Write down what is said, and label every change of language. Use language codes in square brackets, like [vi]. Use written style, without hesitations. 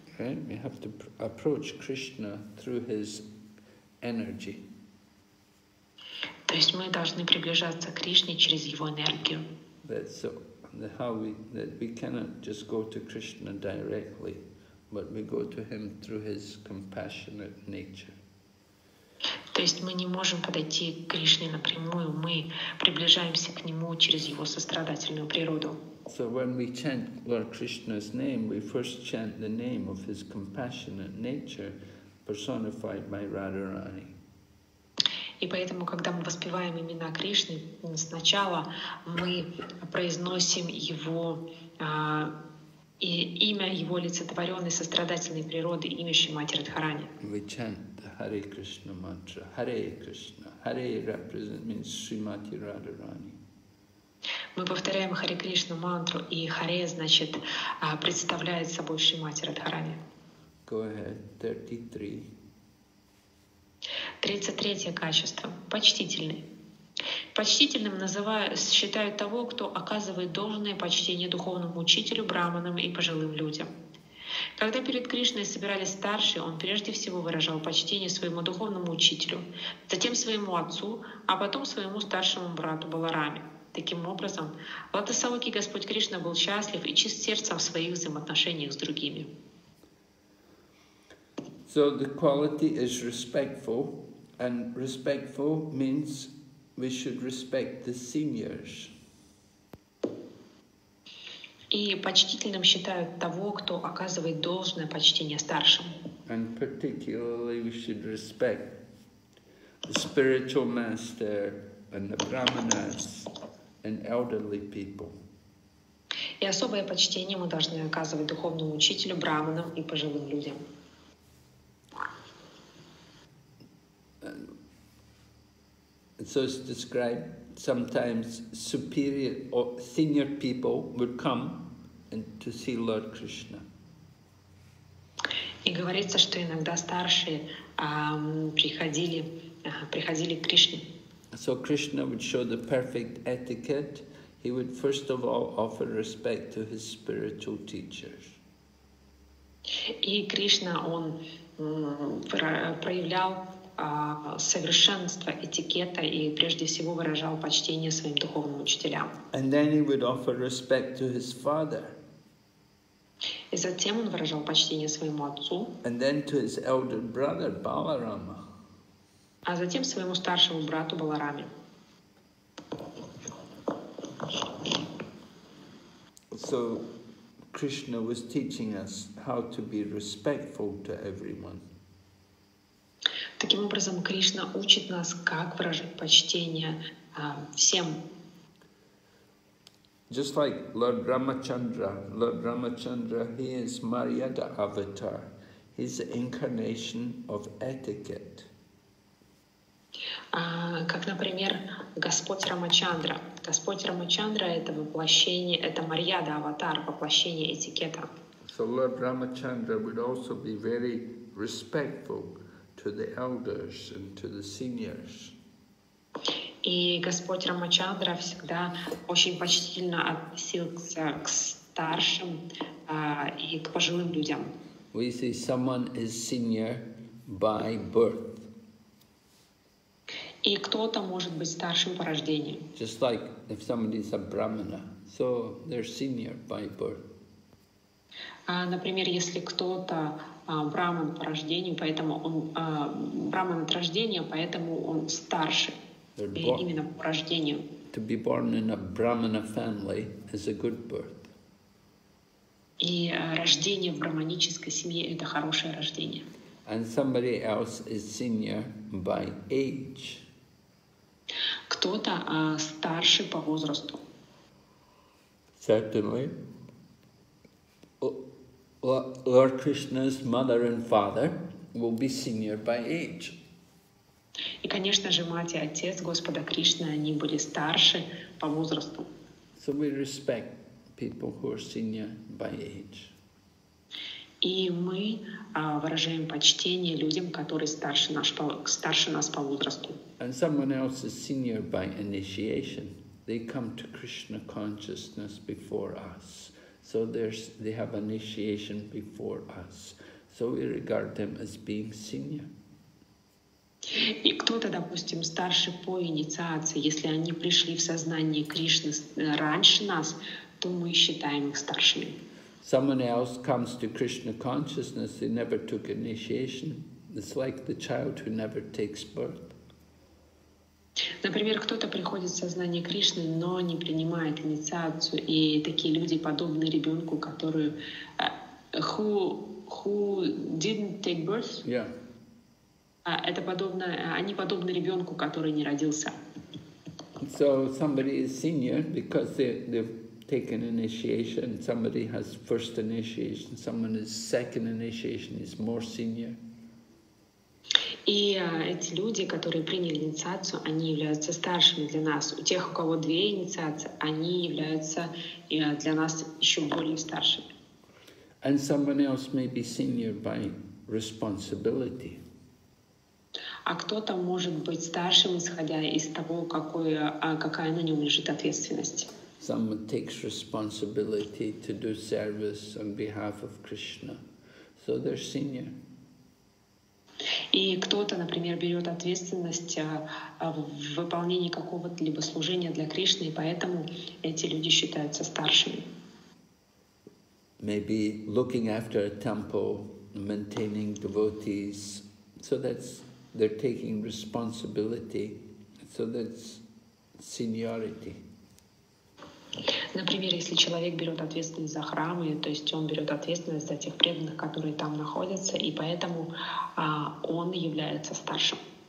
[en] Right? We have to approach Krishna through his energy. [ru] То есть мы должны приближаться к Кришне через его энергию. [en] That's how we, that we cannot just go to Krishna directly, but we go to him through his compassionate nature. [ru] То есть мы не можем подойти к Кришне напрямую, мы приближаемся к нему через его сострадательную природу. [en] So when we chant Lord Krishna's name, we first chant the name of his compassionate nature, personified by Radharani. [ru] И поэтому, когда мы воспеваем имена Кришны, сначала мы произносим его И имя его олицетворенной сострадательной природы, имящей Матери Радхарани. [en] We chant the Hare Krishna mantra. Hare Krishna. Hare represent means Srimati Radharani. [ru] Мы повторяем Харе Кришну мантру, и Харе, значит, представляет собой Шримати Радхарани. [en] Go ahead, 33. [ru] 33 качество. Почтительный. Почтительным считают того, кто оказывает должное почтение духовному учителю, браманам и пожилым людям. Когда перед Кришной собирались старшие, он прежде всего выражал почтение своему духовному учителю, затем своему отцу, а потом своему старшему брату Балараме. Таким образом, Латасаваки Господь Кришна был счастлив и чист сердца в своих взаимоотношениях с другими. [en] So the quality is respectful, and respectful means we should respect the seniors. [ru] И почтительным считают того, кто оказывает должное почтение старшим. [en] And particularly we should respect the spiritual master and the brahmanas. And elderly people. [ru] И особое почтение мы должны оказывать духовному учителю, браманам и пожилым людям. [en] So it's described sometimes superior or senior people would come and to see Lord Krishna. [ru] И говорится, что иногда старшие приходили к Кришне. [en] So Krishna would show the perfect etiquette. He would first of all offer respect to his spiritual teachers. [ru] И Кришна, он проявлял совершенство этикета и прежде всего выражал почтение своим духовным учителям. [en] And then he would offer respect to his father. [ru] И затем он выражал почтение своему отцу. [en] And then to his elder brother Balarama. [ru] А затем своему старшему брату Балараме. [en] So Krishna was teaching us how to be respectful to everyone. [ru] Таким образом, Кришна учит нас, как выражать почтение всем. [en] Just like Lord Ramachandra. Lord Ramachandra, he is Maryada avatar. He's the incarnation of etiquette. [ru] Как, например, Господь Рамачандра. Господь Рамачандра — это воплощение, это Марьяда, аватар, воплощение этикета. [en] So Lord Ramachandra would also be very respectful to the elders and to the seniors. [ru] И Господь Рамачандра всегда очень почтительно относился к старшим и к пожилым людям. [en] We say someone is senior by birth. [ru] И кто-то может быть старшим по рождению. [en] Just like if somebody is a brahmana, so they're senior by birth. [ru] Например, если кто-то браман по рождению, поэтому он браман от рождения, поэтому он старше именно по рождению. [en] To be born in a brahmana family is a good birth. [ru] И рождение в брахманической семье — это хорошее рождение. [en] And somebody else is senior by age. [ru] Кто-то старше по возрасту. [en] Certainly. Lord Krishna's mother and father will be senior by age. [ru] И, конечно же, мать и отец Господа Кришны, они были старше по возрасту. [en] So we respect people who are senior by age. [ru] И мы выражаем почтение людям, которые старше нас по возрасту. [en] And someone else is senior by initiation. They come to Krishna consciousness before us. So they have initiation before us. So we regard them as being senior. [ru] И кто-то, допустим, старше по инициации, если они пришли в сознание Кришны раньше нас, то мы считаем их старшими. [en] Someone else comes to Krishna consciousness, they never took initiation. It's like the child who never takes birth. [ru] Например, кто-то приходит в сознание Кришны, но не принимает инициацию, и такие люди подобны ребенку, который [en] who didn't take birth. Yeah. [ru] Они подобны ребенку, который не родился. [en] So somebody is senior because they've take an initiation, somebody has first initiation, someone is second initiation, is more senior. [ru] И эти люди, которые приняли инициацию, они являются старшими для нас. У тех, у кого две инициации, они являются для нас еще более старшими. [en] And someone else may be senior by responsibility. [ru] А кто-то может быть старшим, исходя из того, какая на нем лежит ответственность. [en] Someone takes responsibility to do service on behalf of Krishna. So they're senior. [ru] И кто-то, например, берет ответственность в выполнении какого-либо служения для Кришны, и поэтому эти люди считаются старшими. [en] Maybe looking after a temple, maintaining devotees, so that's they're taking responsibility, so that's seniority. [ru] Например, если человек берет ответственность за храмы, то есть он берет ответственность за тех преданных, которые там находятся, и поэтому он является старшим.